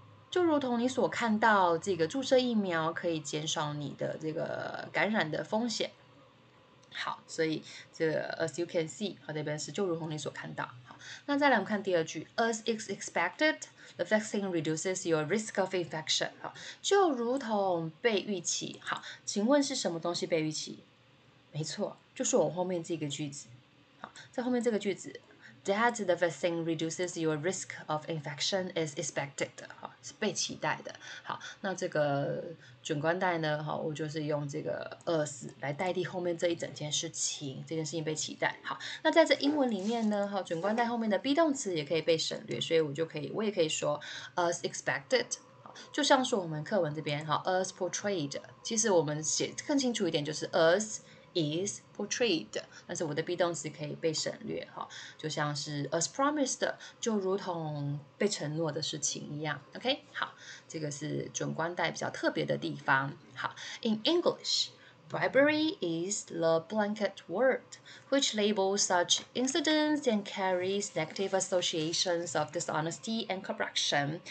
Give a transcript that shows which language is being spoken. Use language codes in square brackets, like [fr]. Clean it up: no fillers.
[zh] 就如同你所看到这个注射疫苗可以减少你的这个感染的风险。好，所以这个 [en] as you can see [zh] 这边是就如同你所看到。好，那再来我们看第二句， [en] as is expected the vaccine reduces your risk of infection。 [zh] 好，就如同被预期。好，请问是什么东西被预期？没错，就是我后面这个句子。好，在后面这个句子 [en] That the vaccine reduces your risk of infection is expected， [zh] 是被期待的。好，那这个准冠代呢，我就是用这个 as 来代替后面这一整件事情，这件事情被期待。好，那在这英文里面呢，准冠代后面的 be 动词也可以被省略，所以我也可以说 [en] as expected。 [zh] 就像是我们课文这边 [en] as portrayed， [zh] 其实我们写更清楚一点就是 [en] asis portrayed， [zh] 但是我的 be 动词可以被省略，就像是 [en] as promised， [zh] 就如同被承诺的事情一样。 OK， 好，这个是准冠代比较特别的地方。 [en] 好， in English bribery is the blanket word which labels such incidents and carries negative associations of dishonesty and corruption。